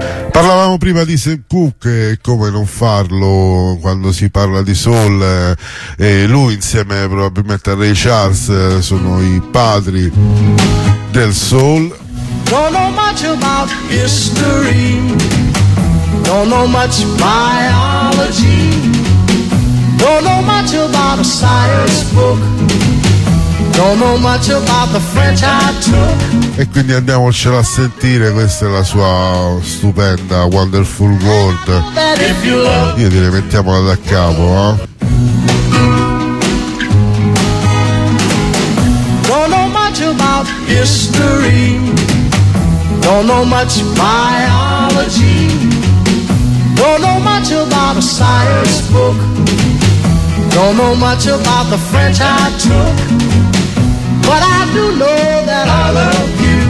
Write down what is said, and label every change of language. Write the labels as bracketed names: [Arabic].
[Italian] Parlavamo prima di Sam Cooke, come non farlo quando si parla di soul, e lui insieme probabilmente a Ray Charles sono i padri del soul. [English] Don't know much about history, don't know much biology, don't know much about a science book, don't know much about the French I took. [Italian] E quindi andiamocela a sentire, questa è la sua stupenda Wonderful World. Io direi mettiamola da capo, eh? [English] Don't know much about history, don't know much biology, don't know much about a science book, don't know much about the French I took, but I do know that I love you.